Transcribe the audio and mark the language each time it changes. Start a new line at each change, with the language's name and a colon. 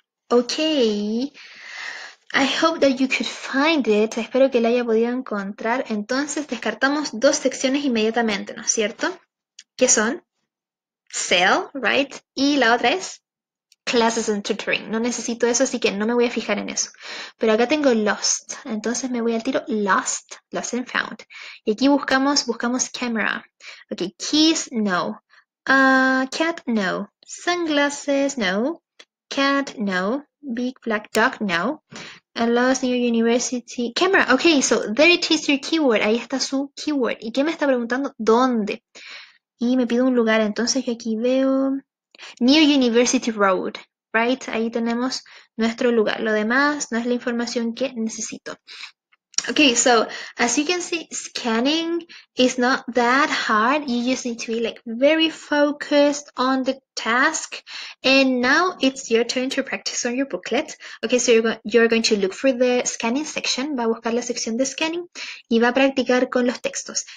English: Okay, I hope that you could find it.
Spanish: Espero que la haya podido encontrar. Entonces descartamos dos secciones inmediatamente, ¿no es cierto? Que son sale, right? Y la otra es classes and tutoring. No necesito eso, así que no me voy a fijar en eso. Pero acá tengo lost. Entonces me voy al tiro lost, lost and found. Y aquí buscamos camera. Okay, keys, no.
English: Cat, no. Sunglasses, no. Cat, no. Big black dog, no. A lost near university. Camera, ok, so there it is your keyword.
Spanish: Ahí está su keyword. ¿Y qué me está preguntando? ¿Dónde? Y me pide un lugar. Entonces yo aquí veo New University Road, right? Ahí tenemos nuestro lugar. Lo demás no es la información que necesito.
English: Okay, so as you can see, scanning is not that hard. You just need to be like very focused on the task. And now it's your turn to practice on your booklet. Okay, so you're going to look for the scanning section.
Spanish: Va a buscar la sección de scanning y va a practicar con los textos.